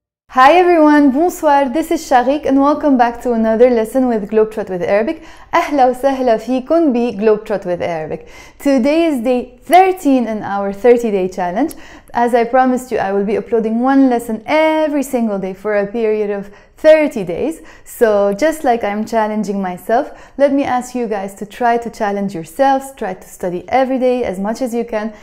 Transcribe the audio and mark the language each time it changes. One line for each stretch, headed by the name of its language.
English: Hi everyone, bonsoir, this is Chaghig and welcome back to another lesson with Globetrot with Arabic.
Arabic: أهلا وسهلا فيكم بي Globetrot with Arabic.
English: Today is day 13 in our 30-day challenge. As I promised you, I will be uploading one lesson every single day for a period of 30 days. So just like I'm challenging myself, let me ask you guys to try to challenge yourselves, try to study every day as much as you can.